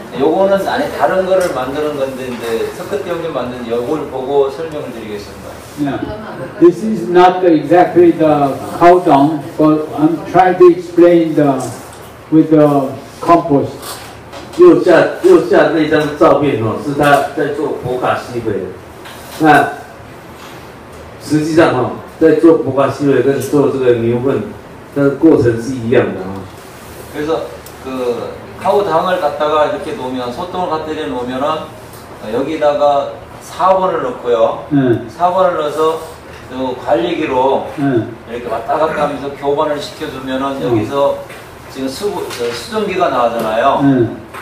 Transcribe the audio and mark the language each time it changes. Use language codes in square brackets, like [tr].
[ko] 요거는 아니 다른 거를 만드는 건데 이제 석끝 형님 만든 요걸 보고 설명을 드리겠습니다. [en] Yeah. This is not the, exactly the cow dung, but I'm trying to explain the with the compost. [zh] 右下那张照片哦，是他在做普卡西韦。那实际上哦，在做普卡西韦跟做这个牛粪的过程是一样的啊。所以说，그 [ko] 카우당을 갖다가 이렇게 놓으면 소똥을 갖다 놓으면 여기다가 4번을 넣고요. 4번을 넣어서 관리기로 이렇게 왔다 갔다 하면서 교반을 시켜주면 여기서 지금 수증기가 나오잖아요.